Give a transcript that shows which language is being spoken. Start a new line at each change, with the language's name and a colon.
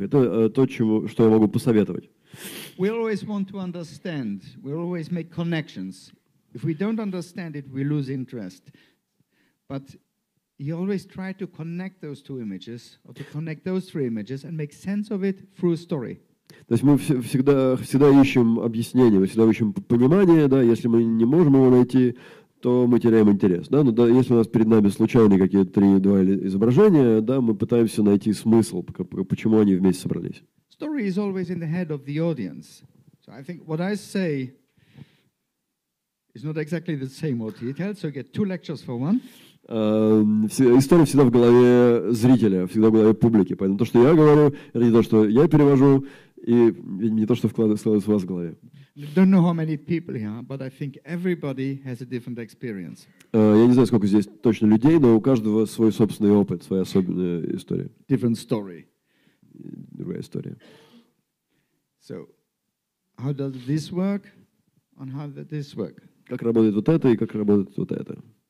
Russian: Это то, что я могу посоветовать.
English: We always want to understand. We always make connections. If we don't understand it, we lose interest. But you always try to connect those two images, or to connect those three images, and make sense of it through a story.
Russian: То есть мы всегда ищем объяснение, мы всегда ищем понимание, да, если мы не можем его найти, то мы теряем интерес. Да? Но если у нас перед нами случайные какие-то два изображения, да, мы пытаемся найти смысл, почему они вместе собрались.
English: Story is always in the head of the audience. So I think what I say is not exactly the same what he tells, so you get two lectures for one.
Russian: История всегда в голове зрителя, всегда в голове публики. Поэтому то, что я говорю, это не то, что я перевожу, и не то, что складывается у вас в голове.
English: Don't know how many people here, but I think everybody has a different experience.
Russian: Я не знаю, сколько здесь точно людей, но у каждого свой собственный опыт, своя особенная история.
English: Different story.
Russian: Другая история.
English: So, how does this work? And how does this work?
Russian: Как работает вот это и как работает вот это?